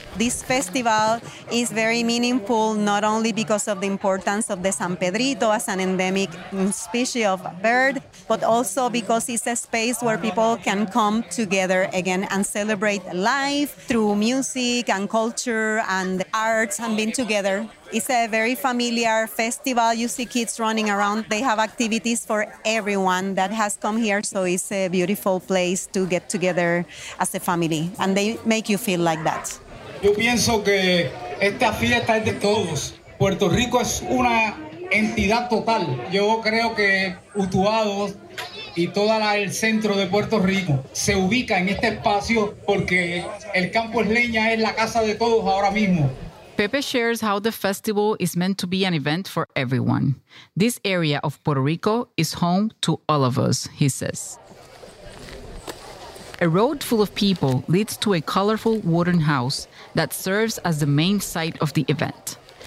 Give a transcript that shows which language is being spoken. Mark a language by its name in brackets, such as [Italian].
[English] This festival is very meaningful, not only because of the importance of the San Pedrito as an endemic species of a bird, but also because it's a space where people can come together again and celebrate life through music and culture and arts and being together. It's a very familiar festival. You see kids running around. They have activities for everyone that has come here. So it's a beautiful place to get together as a family. And they make you feel like that. [Spanish] Yo pienso que esta fiesta es de todos. Puerto Rico es una entidad total. Yo creo que Utuado y toda el centro de Puerto Rico se ubica en este espacio porque el campo es leña, es la casa de todos ahora mismo. [English] Pepe shares how the festival is meant to be an event for everyone. This area of Puerto Rico is home to all of us, he says. A road full of people leads to a colorful wooden house that serves as the main site of the event.